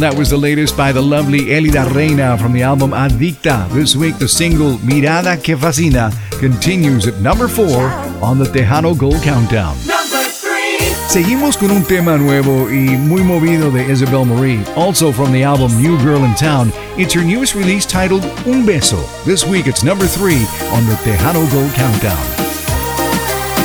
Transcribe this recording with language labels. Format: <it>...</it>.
<en>That was the latest by the lovely Elida Reina from the album Adicta. This week, the single Mirada Que Fascina continues at number 4 on the Tejano Gold Countdown.</en> <es>Seguimos con un tema nuevo y muy movido de Isabel Marie.</es> <en>Also from the album New Girl in Town, it's her newest release titled Un Beso. This week, it's number 3 on the Tejano Gold Countdown.</en>